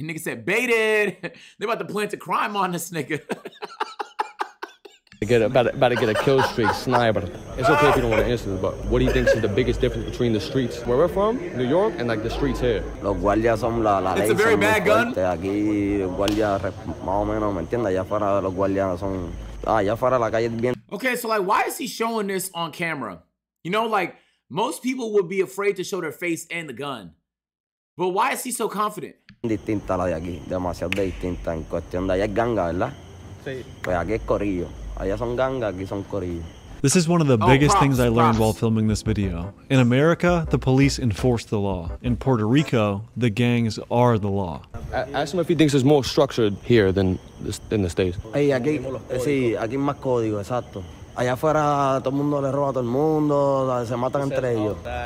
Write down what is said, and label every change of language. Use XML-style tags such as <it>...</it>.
<en>Nigga said, baited. They about to plant a crime on this nigga. About to get a kill streak, sniper. It's okay if you don't want to answer this, but what do you think is the biggest difference between the streets where we're from, New York, and like the streets here?</en> <es>Los guardias son la ley.</es> <en>It's a very bad gun.</en> <es>Aquí guardias más o menos, ¿me entiendes? Allá afuera los guardias son allá afuera la calle bien.</es> <en>Okay, so like, why is he showing this on camera? You know, like most people would be afraid to show their face and the gun, but why is he so confident?</en> <es>Distinta la de aquí, demasiado distinta en cuestión de allá ganga, ¿verdad? Sí. Pues aquí es corillo. Allá son ganga, aquí son corillo.</es> <en>This is one of the biggest things I learned while filming this video. In America, the police enforce the law. In Puerto Rico, the gangs are the law. Ask him if he thinks it's more structured here than in the States.</en> <es>Hey, aquí más código, exacto. Allá afuera todo el mundo le roba a todo el mundo, se matan entre ellos.</es>